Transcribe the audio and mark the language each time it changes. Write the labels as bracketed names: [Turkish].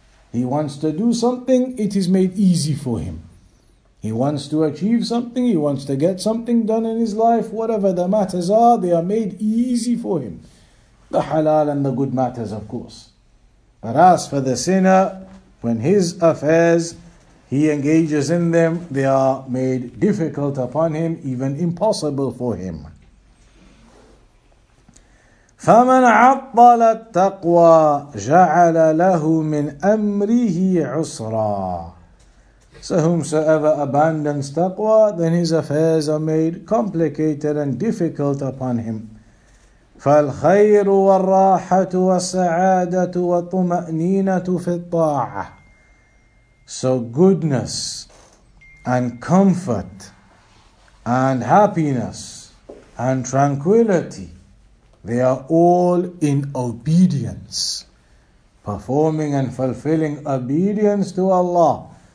[English] He wants to do something, it is made easy for him. He wants to achieve something, he wants to get something done in his life, whatever the matters are, they are made easy for him. The halal and the good matters, of course. But as for the sinner, when his affairs, he engages in them, they are made difficult upon him, even impossible for him. [Arabic] فَمَنْ عَطَّلَ التَّقْوَى جَعَلَ لَهُ مِنْ أَمْرِهِ عُسْرًا. [English] So whomsoever abandons taqwa, then his affairs are made complicated and difficult upon him. [Arabic] فَالْخَيْرُ وَالرَّاحَةُ وَالسَّعَادَةُ وَالطُمَأْنِينَةُ فِي الطَّاعَةِ. [English] So goodness and comfort and happiness and tranquility, they are all in obedience, performing and fulfilling obedience to Allah.